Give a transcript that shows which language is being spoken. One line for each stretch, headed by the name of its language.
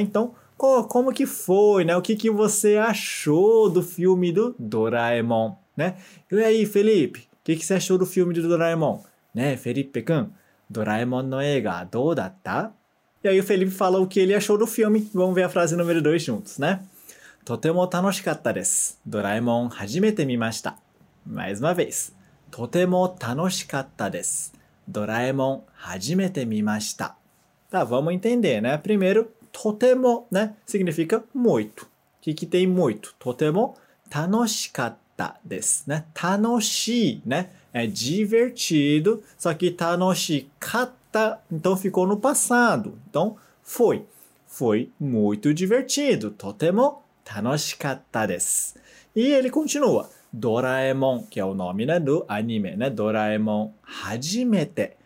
Portuguese: Então, como que foi, né? O que, que você achou do filme do Doraemon, né? E aí, Felipe? O que, que você achou do filme do Doraemon? Né, Felipe-kun?
Japanese: Doraemon no eiga, do datta?
Portuguese: E aí, o Felipe fala o que ele achou do filme. Vamos ver a frase número 2 juntos, né?
Japanese: とても楽しかったです。ドラえもん初めて見ました。
Portuguese: Mais uma vez.
Japanese: とても楽しかったです。ドラえもん初めて見ました。
Portuguese: Tá, vamos entender, né? Primeiro, とても, né? Significa muito. O que, que tem muito?
Japanese: とても楽しかったです。ね、楽しい,
Portuguese: né? É divertido, só que 楽しかった, então ficou no passado. Então, foi. Foi muito divertido.
Japanese: とても tanoshikatta desu.
Portuguese: E ele continua. Doraemon, que é o nome, né, do anime, né? Doraemon hajimete.